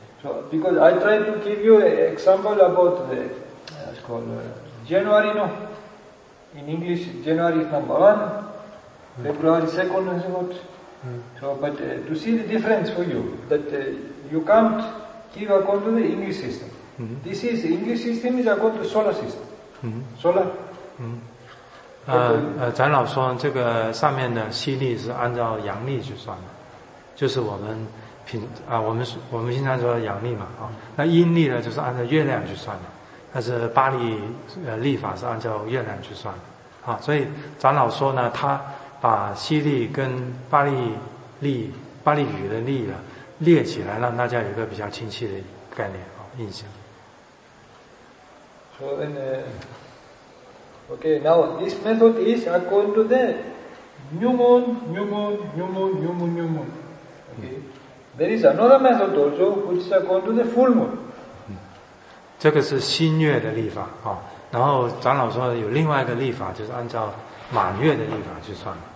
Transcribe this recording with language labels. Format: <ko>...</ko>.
<en>So because I tried to give you an example about the it's called January, no? In English, January is number one, February second, is what? So but to see the difference for you that you can't give according to the English system. Mm-hmm. This is English system is according to solar system. Mm-hmm. Solar.</en> <zh>嗯，长老说这个上面的西历是按照阳历去算的，就是我们平啊，我们经常说阳历嘛啊，那阴历呢就是按照月亮去算的，但是巴利历法是按照月亮去算的啊，所以长老说呢，他把西历跟巴利历、巴利语的历呢列起来，让大家有一个比较清晰的概念啊印象。所以呢。</zh> <en>Okay, now this method is according to the new moon, new moon, new moon, new moon, new moon. Okay, there is another method also which is according to the full moon.</en> <zh>嗯，这个是新月的历法啊。然后长老说有另外一个历法，就是按照满月的历法去算。</zh>